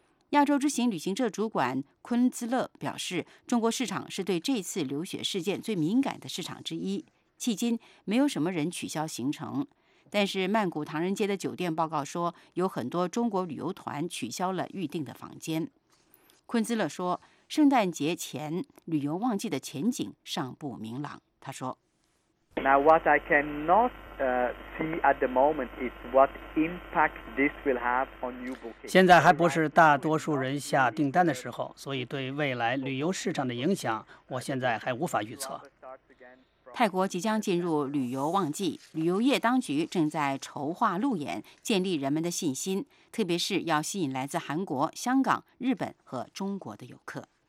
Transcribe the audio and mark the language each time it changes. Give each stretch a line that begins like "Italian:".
Chinese: 亚洲之行旅行社主管昆兹勒表示，中国市场是对这次流血事件最敏感的市场之一，迄今没有什么人取消行程。但是曼谷唐人街的酒店报告说，有很多中国旅游团取消了预订的房间。昆兹勒说，圣诞节前旅游旺季的前景尚不明朗。他说
English: Now what I cannot see at the moment is what impact this will have on new bookings.
Chinese: 现在还不是大多数人下订单的时候，所以对未来旅游市场的影响我现在还无法预测。泰国即将进入旅游旺季，旅游业当局正在筹划路演，建立人们的信心，特别是要吸引来自韩国、香港、日本和中国的游客。